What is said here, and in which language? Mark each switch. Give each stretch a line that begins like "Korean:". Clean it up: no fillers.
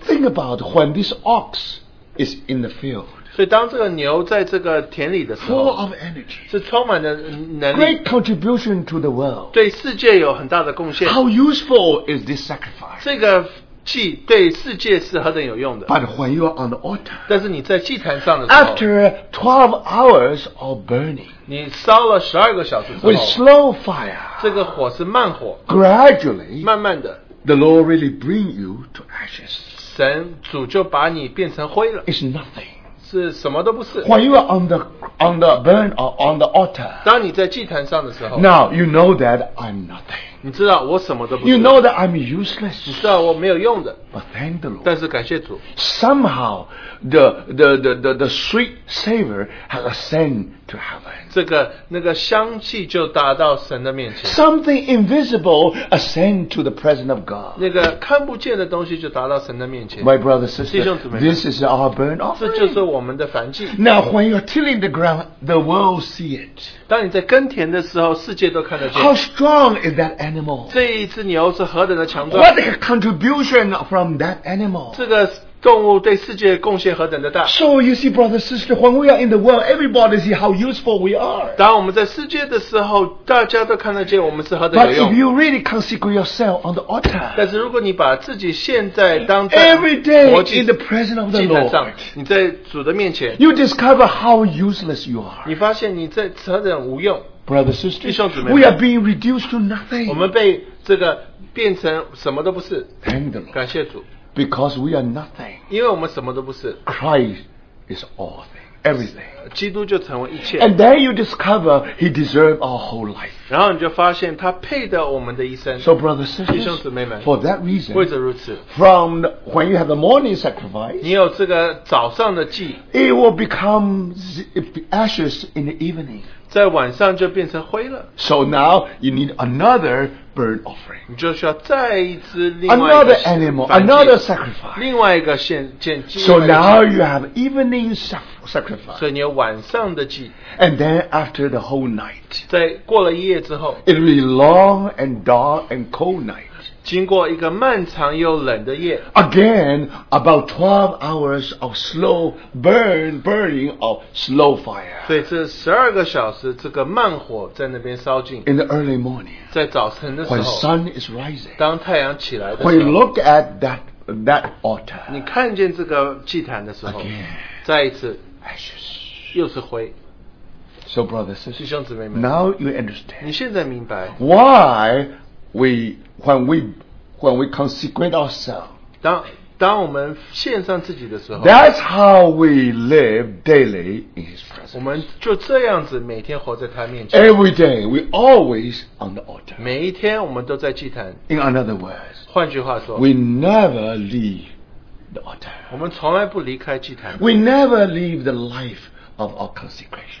English: Think about when this ox is in the field.
Chinese: 所以当这个牛在这个田里的时候
English: Full of energy
Chinese: 是充满了能力
English: Great contribution to the world
Chinese: 对世界有很大的贡献
English: How useful is this sacrifice?
Chinese: 这个祭对世界是何等有用的
English: But when you are on the altar
Chinese: 但是你在祭坛上的时候
English: After 12 hours of burning
Chinese: 你烧了12个小时之后
English: With slow fire
Chinese: 这个火是慢火
English: Gradually
Chinese: 慢慢的
English: The Lord really bring you to ashes
Chinese: 神主就把你变成灰了
English: It's nothing
Chinese: 是什么都不是,
English: when you are on the burn or on the altar,
Chinese: 当你在祭坛上的时候,
English: now you know that I'm nothing.
Chinese: 你知道我什么都不是,
English: you know that I'm useless.
Chinese: 你知道我没有用的,
English: but thank the Lord.
Chinese: 但是感谢主,
English: somehow the sweet savor has ascended to heaven.
Chinese: 那个香气就达到神的面前,
English: something invisible ascended to the presence of God.
Chinese: 那个看不见的东西就达到神的面前,
English: my brother, sister,
Chinese: 弟兄姊妹,
English: this is our burnt offering. Now, when you are tilling the ground, the world see it.
Chinese: 当你在耕田的时候,
English: How strong is that animal?
Chinese: 这一只牛是何等的强壮?
English: What a contribution from that animal? So you see, brothers and sisters, when we are in the world, everybody see how useful we are.
Chinese: 当我们在世界的时候,
English: but if you really consecrate yourself on the altar,
Chinese: 但是如果你把自己现在当在,
English: every day in the presence of the Lord,
Chinese: 你在主的面前,
English: you discover how useless you are.
Chinese: 你发现你在何等无用,
English: brothers and sisters,
Chinese: 弟兄姊妹们,
English: we are being reduced to nothing.
Chinese: 我们被这个变成什么都不是,
English: thank the Lord.
Chinese: 感谢主,
English: Because we are nothing.
Chinese: 因为我们什么都不是,
English: Christ is all things, everything.
Chinese: 基督就成为一切,
English: and then you discover he deserves our whole life.
Chinese: 然后你就发现他配得我们的一生,
English: so, brothers and sisters, for that reason,
Chinese: 为着如此,
English: from when you have the morning sacrifice,
Chinese: 你有这个早上的祭,
English: it will become ashes in the evening.
Chinese: 在晚上就变成灰了,
English: so now you need another burnt offering.
Chinese: 你就需要再一只另外一个,
English: another animal, another sacrifice.
Chinese: 另外一个献祭,
English: so now you have evening sacrifice.
Chinese: 所以你有晚上的祭,
English: and then after the whole night,
Chinese: 在过了一夜之后,
English: it will be long and dark and cold night.
Chinese: 经过一个漫长又冷的夜,
English: again, about 12 hours of slow burning of slow fire.
Chinese: 对,这12个小时, 这个慢火在那边烧尽,
English: in the early morning,
Chinese: 在早晨的时候,
English: when sun is rising,
Chinese: 当太阳起来的时候,
English: when you look at that altar,
Chinese: 你看见这个祭坛的时候,
English: again,
Chinese: 再一次,
English: ashes,
Chinese: 又是灰,
English: so brothers and sisters,
Chinese: 弟兄姊妹们,
English: now you understand,
Chinese: 你现在明白,
English: when we consecrate ourselves,
Chinese: 当我们献上自己的时候,
English: that's how we live daily in His presence.
Chinese: 我们就这样子每天活在他面前,
English: every day we always on the altar.
Chinese: 每一天我们都在祭坛,
English: in other words,
Chinese: 换句话说,
English: we never leave the altar.
Chinese: 我们从来不离开祭坛,
English: we never leave the life of our consecration.